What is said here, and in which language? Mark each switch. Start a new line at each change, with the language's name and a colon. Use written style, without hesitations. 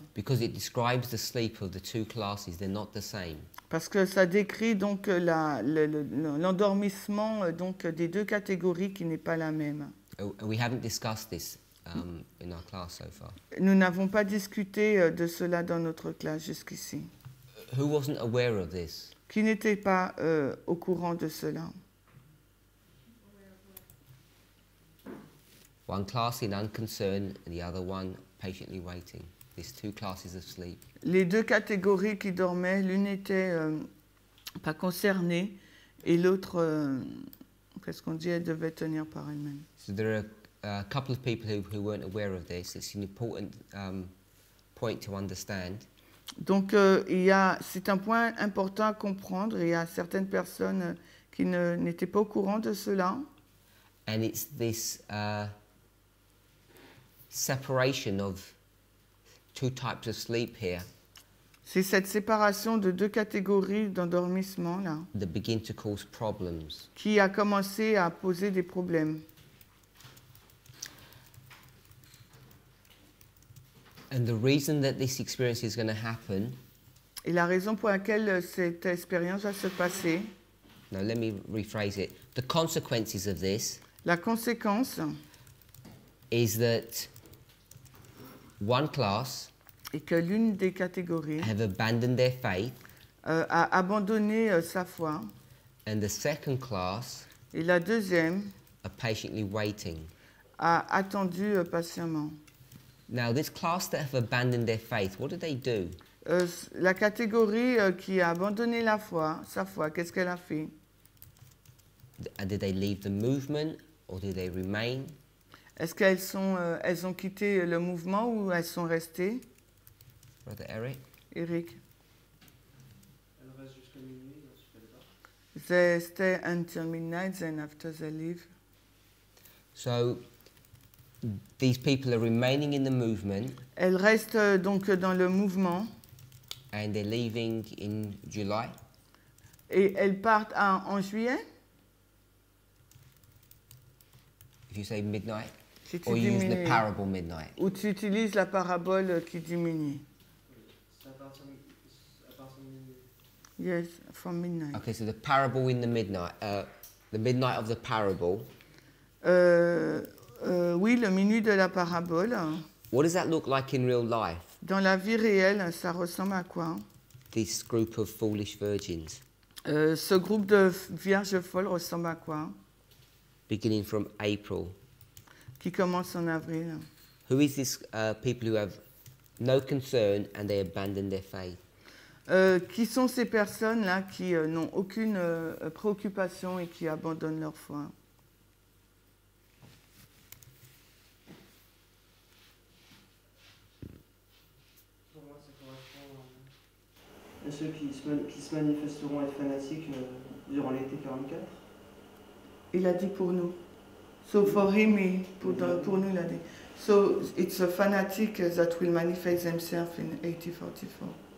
English: Because it describes the sleep of the two classes, they're not the same.
French: Parce que ça décrit donc l'endormissement donc des deux catégories qui n'est pas la même.
English: We haven't discussed this in our class so far.
French: Nous n'avons pas discuté de cela dans notre classe jusqu'ici.
English: Who wasn't aware of this?
French: Qui n'était pas au courant de cela?
English: One class in unconcern, the other one patiently waiting. These two classes of sleep.
French: Les deux catégories qui dormaient, l'une était pas concernée et l'autre, qu'est-ce qu'on dit, elle devait tenir par elle-même.
English: So there are a couple of people who weren't aware of this. It's an important point to understand.
French: Donc c'est un point important à comprendre. Il y a certaines personnes qui n'étaient pas au courant de cela.
English: And it's this separation of two types of sleep here.
French: C'est cette séparation de deux catégories d'endormissement là.
English: That begin to cause problems.
French: Qui a commencé à poser des problèmes.
English: And the reason that this experience is going to happen.
French: Et la raison pour laquelle cette expérience va se passer.
English: Now let me rephrase it. The consequences of this.
French: La conséquence.
English: Is that one class
French: et que l'une des catégories
English: have abandoned their faith,
French: a abandonné sa foi,
English: and the second class
French: et la deuxième
English: are patiently waiting,
French: a attendu patiemment.
English: Now this class that have abandoned their faith, what do they do?
French: La catégorie qui a abandonné la foi, sa foi, qu'est-ce qu'elle a fait?
English: Did they leave the movement or did they remain?
French: Est-ce qu'elles sont, elles ont quitté le mouvement ou elles sont restées?
English: Brother Eric.
French: Eric. Elles restent jusqu'à minuit, ensuite elles partent.
English: They stay until midnight, then after they leave. So, These people are remaining in the movement.
French: Elles restent donc dans le mouvement.
English: And they're leaving in July.
French: Et elles partent en juillet.
English: If you say midnight, or you use the parable midnight.
French: Ou tu utilises la parabole qui diminue.
English: Yes, from midnight. Okay, so the parable in the midnight, the midnight of the parable.
French: Oui, le minuit de la parabole.
English: What does that look like in real life?
French: Dans la vie réelle, ça ressemble à quoi?
English: This group of foolish virgins.
French: Ce groupe de vierges folles ressemble à quoi?
English: Beginning from April.
French: Qui commence en avril.
English: Who is this people who have no concern and they abandon their faith?
French: Qui sont ces personnes-là qui n'ont aucune préoccupation et qui abandonnent leur foi? Pour moi, ça correspond à ceux qui se manifesteront être fanatiques durant l'été 44. Il a dit pour nous.
English: So for him,
French: pour nous, il a dit.
English: So it's a fanatic that will manifest himself in 1844.